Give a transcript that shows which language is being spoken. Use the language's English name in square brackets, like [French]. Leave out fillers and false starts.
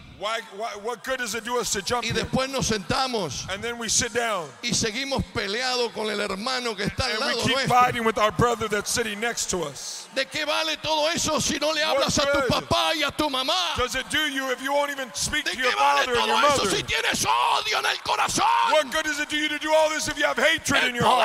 [English] Why, what good does it do us to jump? [Spanish] Y después nos sentamos. [English] And then we sit down. [Spanish] Y seguimos peleado con el hermano que está al lado nuestro. [English] And we keep fighting with our brother that's sitting next to us. [Spanish] ¿De qué vale todo eso si no le hablas a tu papá y a tu mamá? [English] Does it do you if you won't even speak to your father and your mother? [Spanish] ¿De qué vale todo eso si tienes odio en el corazón? [English] What good does it do you to do all this if you have hatred in your heart?